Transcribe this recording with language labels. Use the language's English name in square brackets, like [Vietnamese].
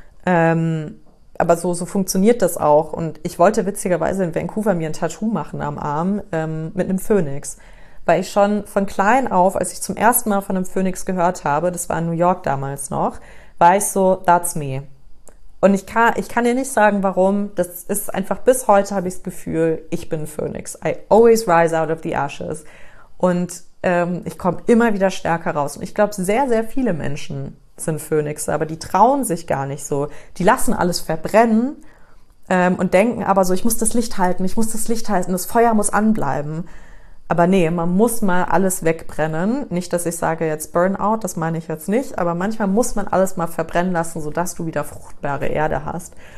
[German] Aber so funktioniert das auch. Und ich wollte witzigerweise in Vancouver mir ein Tattoo machen am Arm mit einem Phönix, weil ich schon von klein auf, als ich zum ersten Mal von einem Phönix gehört habe, das war in New York damals noch, war ich so, [English] that's me. [German] Und ich kann dir nicht sagen, warum. Das ist einfach, bis heute habe ich das Gefühl, ich bin Phönix. [English] I always rise out of the ashes. [German] Und ich komme immer wieder stärker raus. Und ich glaube, sehr, sehr viele Menschen sind Phönixe, aber die trauen sich gar nicht so. Die lassen alles verbrennen und denken aber so, ich muss das Licht halten, ich muss das Licht halten, das Feuer muss anbleiben. Aber nee, man muss mal alles wegbrennen. Nicht, dass ich sage jetzt Burnout, das meine ich jetzt nicht, aber manchmal muss man alles mal verbrennen lassen, sodass du wieder fruchtbare Erde hast.